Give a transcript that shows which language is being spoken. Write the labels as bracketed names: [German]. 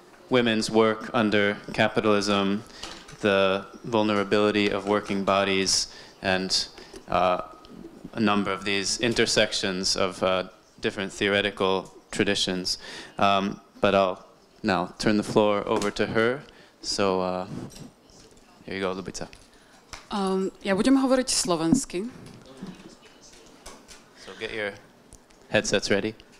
[English] women's work under capitalism, the vulnerability of working bodies, and a number of these intersections of different theoretical traditions, but I'll now turn the floor over to her. So here you go, Lubica. [Slovak] Ja budem hovoriť slovensky. [English] So get your headsets ready.